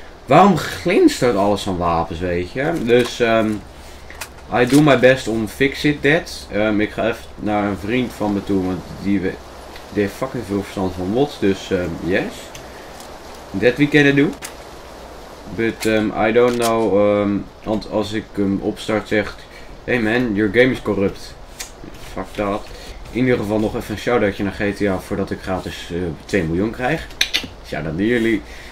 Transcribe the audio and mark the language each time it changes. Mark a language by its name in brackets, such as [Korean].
[Dutch] Waarom glinstert alles van wapens, weet je? [English] Dus, I do my best om fix it that. [Dutch] Ik ga even naar een vriend van me toe, want die heeft fucking veel verstand van mods. [English] Dus, yes. That we can do. But, I don't know. [Dutch] Want als ik hem opstart, zegt... [English] Hey man, your game is corrupt. Fuck that. [Dutch] In ieder geval nog even een shoutoutje naar GTA voordat ik gratis 2 miljoen krijg. Shoutout naar jullie.